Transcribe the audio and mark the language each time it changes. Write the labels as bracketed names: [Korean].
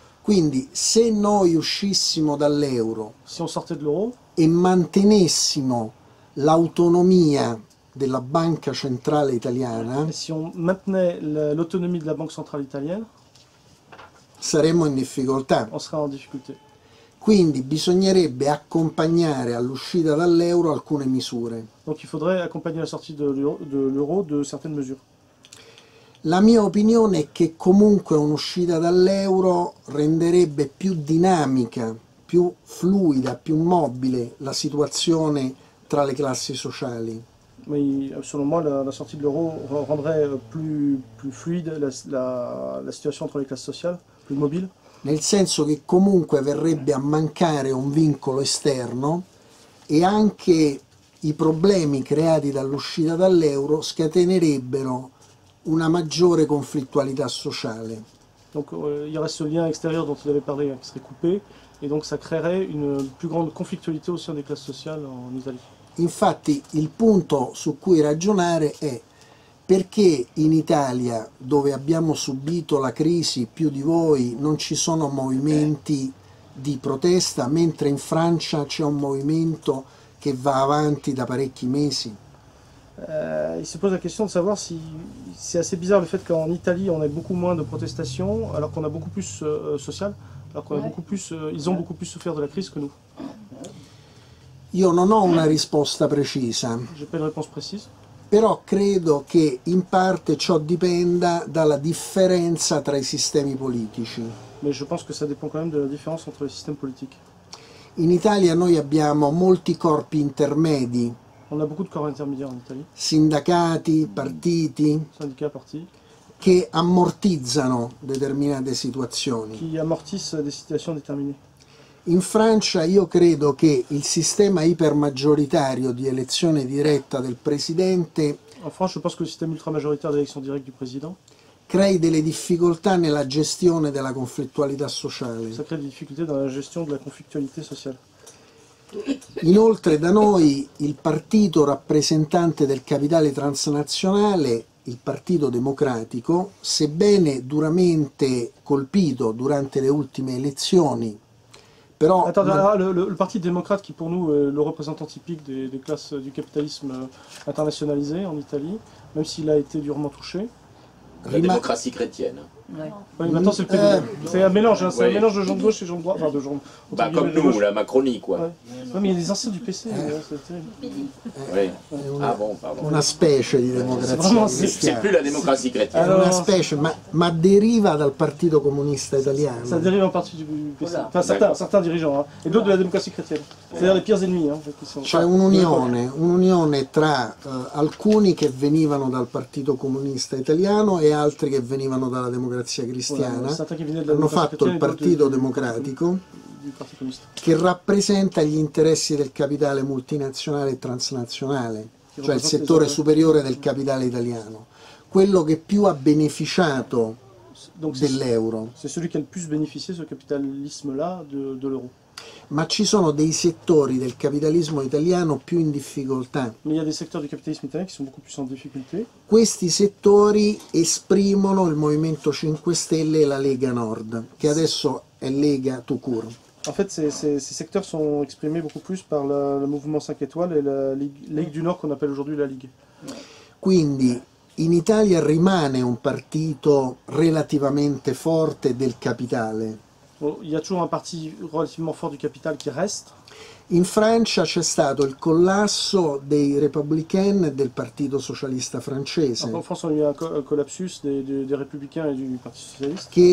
[Italian] Quindi se noi uscissimo dall'euro, [French] si on sortait de l'euro [Italian] e mantenessimo l'autonomia della banca centrale italiana, [French] si on maintenait l'autonomie de la banque centrale italienne, [Italian] saremmo in difficoltà. [French] On serait en difficulté. [Italian] Quindi bisognerebbe accompagnare all'uscita dall'euro alcune misure. [French] Donc il faudrait accompagner la sortie de l'euro de certaines mesures. [Italian] La mia opinione è che comunque un'uscita dall'euro renderebbe più dinamica, più fluida, più mobile la situazione tra le classi sociali. [French] Mais selon moi la sortie de l'euro rendrait plus fluide la situation entre les classes sociales, plus mobile. [Italian] Nel senso che comunque verrebbe a mancare un vincolo esterno e anche i problemi creati dall'uscita dall'euro scatenerebbero una maggiore conflittualità sociale. [French] Donc il y aurait ce lien extérieur dont il avait parlé qui serait coupé et donc ça créerait une plus grande conflictualité au sein des classes sociales en Italie. [Italian] Infatti il punto su cui ragionare è: perché in Italia, dove abbiamo subito la crisi più di voi, non ci sono movimenti di protesta, mentre in Francia c'è un movimento che va avanti da parecchi mesi. [French] Il si pose la question de savoir si c'est assez bizarre le fait qu'en Italie on ait beaucoup moins de protestations alors qu'on a beaucoup plus social, alors qu'on a beaucoup plus ils ont beaucoup plus souffert de la crise que nous. [Italian] Io non ho una risposta precisa. [French] J'ai pas une réponse précise. [Italian] Però credo che in parte ciò dipenda dalla differenza tra i sistemi politici. [French] Mais je pense que ça dépend quand même de la différence entre les systèmes politiques. [Italian] In Italia noi abbiamo molti corpi intermedi. [French] On a beaucoup de corps intermédiaires en Italie. [Italian] Sindacati, partiti. [French] Syndicats, partis. [Italian] Che ammortizzano determinate situazioni. [French] Qui amortissent des situations déterminées. [Italian] In Francia io credo che il sistema ipermaggioritario di elezione diretta del presidente. [French] En France, je pense que le système ultramajoritaire d'élection directe du président. [Italian] Crei delle difficoltà nella gestione della conflittualità sociale. [French] Ça crée des difficultés dans la gestion de la conflictualité sociale. [Italian] Inoltre da noi il partito rappresentante del capitale transnazionale, il Partito Democratico, sebbene duramente colpito durante le ultime elezioni, però il Partito Democratico che per noi è il rappresentante tipico delle classi del capitalismo internazionalizzato in Italia, anche se ha [French] été [Italian] duramente [French] touché. [Italian] La democrazia cristiana. [French] Oui, ouais, maintenant c'est le PD. C'est un mélange, ouais. C'est un mélange de gens de gauche et gens de droite. Enfin, de gens, bah, comme nous, la Macronie, quoi. Ouais. Non, mais il y a des anciens du PC, c'est terrible. Ah bon, pardon. [Italian] Una specie di democrazia. [French] C'est plus la démocratie chrétienne. Alors, [Italian] una specie, ma deriva dal Partito Comunista Italiano. [French] Ça dérive en partie du PC. Voilà. Enfin, certains dirigeants, hein. Et d'autres de la démocratie chrétienne. C'est-à-dire les pires ennemis. Hein, c'est [Italian] un'unione tra alcuni che venivano dal Partito Comunista Italiano e altri che venivano dalla Democrazia Cristiana, hanno fatto il Partito Democratico che rappresenta gli interessi del capitale multinazionale e transnazionale, cioè il settore superiore del capitale italiano, quello che più ha beneficiato dell'euro. [French] C'est celui qui a le plus bénéficié ce capitalisme là de l'euro. [Italian] Ma ci sono dei settori del capitalismo italiano più in difficoltà. [French] Mais il y a des secteurs du capitalisme italien qui sont beaucoup plus en difficulté. [Italian] Questi settori esprimono il Movimento 5 Stelle e la Lega Nord, che adesso è Lega tout court. [French] En fait, ces secteurs sont exprimés beaucoup plus par le Mouvement 5 Étoiles et la Ligue du Nord qu'on appelle aujourd'hui la Ligue. [Italian] Quindi in Italia rimane un partito relativamente forte del capitale. [French] Il y a toujours un parti relativement fort du capital qui reste. [Italian] In Francia c'è stato il collasso dei Républicains [French] et [Italian] del Partito Socialista Francese. [French] En France, il y a un collapsus des Républicains et du Parti Socialiste.